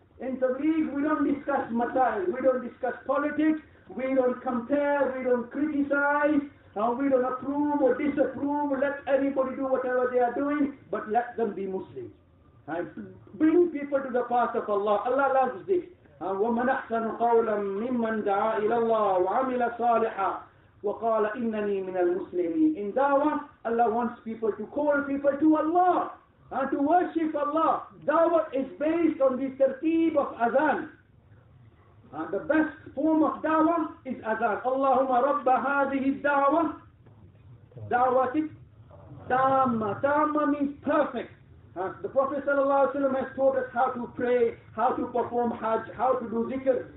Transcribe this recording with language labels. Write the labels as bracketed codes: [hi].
[en] In Tabligh, we don't discuss Masail, we don't discuss politics, we don't compare, we don't criticize, now we don't approve or disapprove, let anybody do whatever they are doing, but let them be Muslims. And bring people to the path of Allah. Allah loves this. [ar] وَمَنْ أَحْسَنُ قَوْلًا مِمَّنْ دَعَى إِلَى اللَّهِ وَعَمِلَ صَالِحًا وَقَالَ إِنَّنِي مِنَ الْمُسْلِمِينَ. [en] In Dawah, Allah wants people to call people to Allah. and to worship Allah. Dawah is based on the tertib of Adhan. And the best form of Dawah is Adhan. Allahumma Rabba hadihi Dawah. Dawah is Tamma. Tamma means perfect. And the Prophet sallallahu alayhi wa sallam has taught us how to pray, how to perform Hajj, how to do Zikr.